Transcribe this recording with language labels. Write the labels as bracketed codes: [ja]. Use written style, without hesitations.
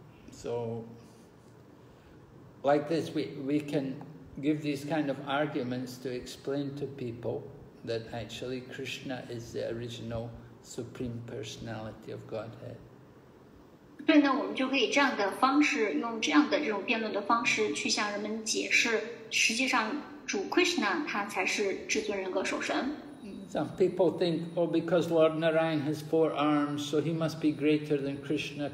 [en] So, like this, we can give these kind of arguments to explain to people. That actually Krishna is the original supreme personality of Godhead. [zh] 对呢，我们就可以这样的方式，用这样的这种辩论的方式去向人们解释，实际上主 Krishna 他才是至尊人格首神。 [en] Some people think, oh, because Lord Narayan has four arms, so he must be greater than Krishna.